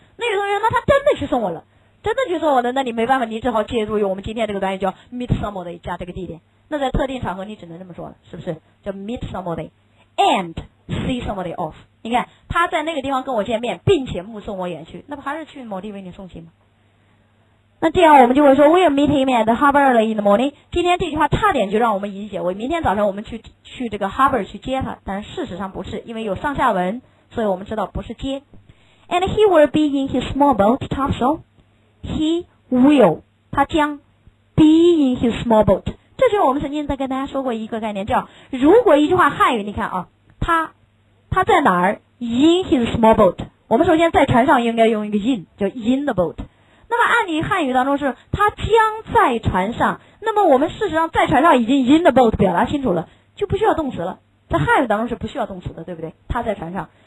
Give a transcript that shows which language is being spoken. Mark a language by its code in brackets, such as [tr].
[zh] 那有的人，那他真的去送我了，真的去送我了，那你没办法，你只好借助于我们今天这个短语叫 meet somebody 加这个地点。那在特定场合，你只能这么说了，是不是？ [en] 叫 meet somebody and see somebody off。 [zh] 你看他在那个地方跟我见面，并且目送我远去，那不还是去某地为你送行吗？ [en] 那这样我们就会说 We'll meet him at the harbor early in the morning。 [zh] 今天这句话差点就让我们理解为明天早上我们去这个 harbor 去接他，但事实上不是，因为有上下文，所以我们知道不是接。 [en] And he will be in his small boat topsail。 He will，他将 be in his small boat。 [zh] 这就是我们曾经在跟大家说过一个概念，叫如果一句话汉语，你看啊，他在哪儿？ In his small boat。我们首先在船上应该用一个 in， 叫 in the boat。那么按理汉语当中是他将在船上，那么我们事实上在船上已经 in the boat 表达清楚了，就不需要动词了，在汉语当中是不需要动词的，对不对？他在船上。